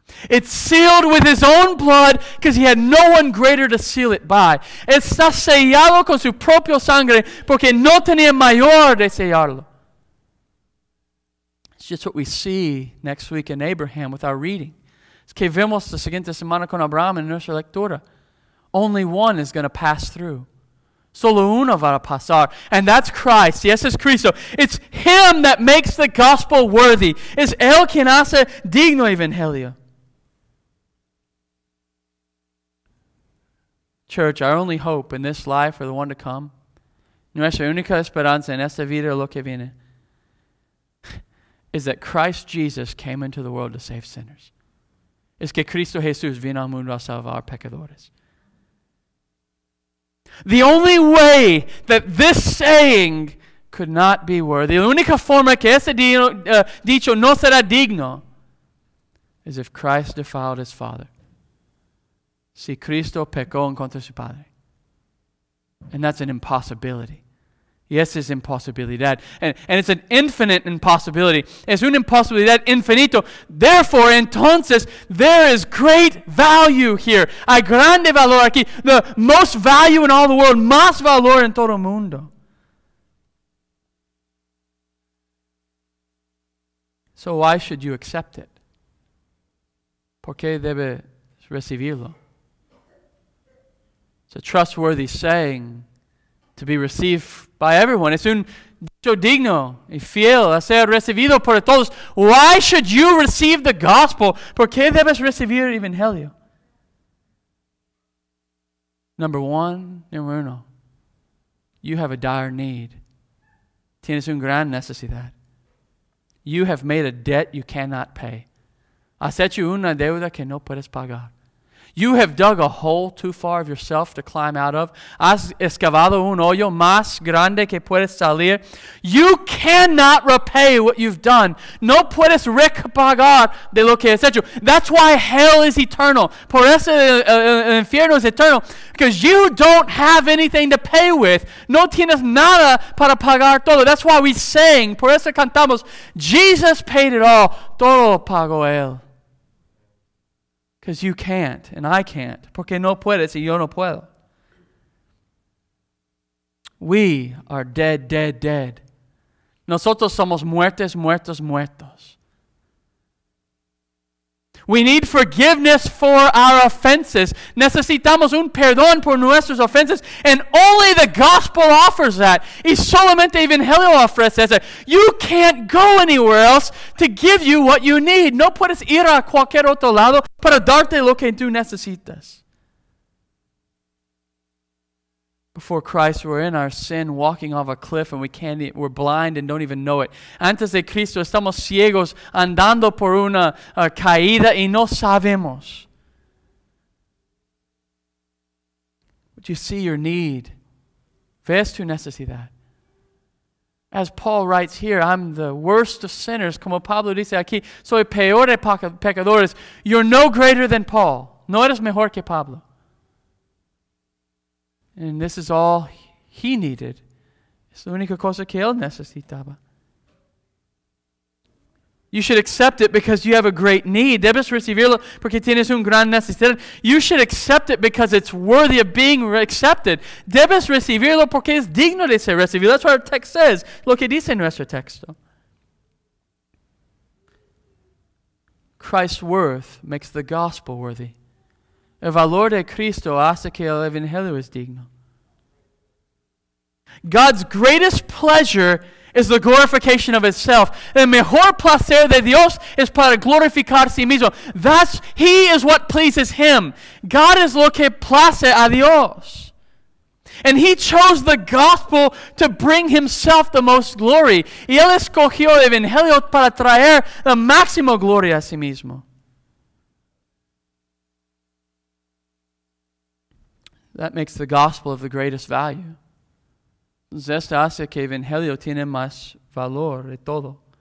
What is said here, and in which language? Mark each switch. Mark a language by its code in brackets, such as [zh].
[en] It's sealed with his own blood because he had no one greater to seal it by. [es] Está sellado con su propio sangre porque no tenía mayor de sellarlo. [en] Just what we see next week in Abraham with our reading. [es] Es que vemos la siguiente semana con Abraham en nuestra lectura. [en] Only one is going to pass through. [es] Solo uno va a pasar. [en] And that's Christ. Yes, [es] es Cristo. [en] It's him that makes the gospel worthy. [es] Es él quien hace digno evangelio. [en] Church, our only hope in this life or the one to come. [es] Nuestra única esperanza en esta vida lo que viene. [en] Is that Christ Jesus came into the world to save sinners. [es] Es que Cristo Jesús vino al mundo a salvar pecadores. [en] The only way that this saying could not be worthy, [es] la única forma que ese dicho no será digno, [en] is if Christ defiled his Father. [es] Si Cristo pecó en contra su Padre. [en] And that's an impossibility. Yes, [es] es impossibilidad. [en] And it's an infinite impossibility. [es] Es una impossibilidad infinito. [en] Therefore, entonces, there is great value here. [es] Hay grande valor aquí. [en] The most value in all the world. [es] Más valor en todo el mundo. [en] So why should you accept it? [es] ¿Por qué debe recibirlo? [en] It's a trustworthy saying to be received by everyone. [es] Es un dicho digno y fiel a ser recibido por todos. [en] Why should you receive the gospel? [es] ¿Por qué debes recibir el evangelio? [en] Number 1, you have a dire need. [es] Tienes una gran necesidad. [en] You have made a debt you cannot pay. [es] Has hecho una deuda que no puedes pagar. [en] You have dug a hole too far of yourself to climb out of. [es] Has excavado un hoyo más grande que puedes salir. [en] You cannot repay what you've done. [es] No puedes repagar de lo que has hecho. [en] That's why hell is eternal. [es] Por eso el infierno es eternal. [en] Because you don't have anything to pay with. [es] No tienes nada para pagar todo. [en] That's why we sing. [es] Por eso cantamos. [en] Jesus paid it all. [es] Todo lo pagó él. [en] Because you can't, and I can't. [es] Porque no puedes, y yo no puedo. [en] We are dead, dead, dead. [es] Nosotros somos muertos, muertos, muertos. [en] We need forgiveness for our offenses. [es] Necesitamos un perdón por nuestras offenses. [en] And only the gospel offers that. [es] Y solamente Evangelio ofrece eso. [en] You can't go anywhere else to give you what you need. [es] No puedes ir a cualquier otro lado para darte lo que tú necesitas. [en] Before Christ, we're in our sin, walking off a cliff, and we're blind and don't even know it. [es] Antes de Cristo, estamos ciegos, andando por una caída, y no sabemos. [en] But you see your need. [es] Ves tu necesidad. [en] As Paul writes here, I'm the worst of sinners. [es] Como Pablo dice aquí, soy peor de pecadores. [en] You're no greater than Paul. [es] No eres mejor que Pablo. [en] And this is all he needed. [es] Es la única cosa que él necesitaba. [en] You should accept it because you have a great need. [es] Debes recibirlo porque tienes un gran necesidad. [en] You should accept it because it's worthy of being accepted. [es] Debes recibirlo porque es digno de ser recibido. [en] That's what our text says. [es] Lo que dice nuestro texto. [en] Christ's worth makes the gospel worthy. [es] El valor de Cristo hace que el Evangelio es digno. [en] God's greatest pleasure is the glorification of itself. [es] El mejor placer de Dios es para glorificar a sí mismo. [en] Thus, he is what pleases him. God [es] es lo que place a Dios. [en] And he chose the gospel to bring himself the most glory. [es] Y él escogió el Evangelio para traer la máxima gloria a sí mismo. [en] That makes the gospel of the greatest value. [es] Esto hace que Evangelio tiene más valor de todo.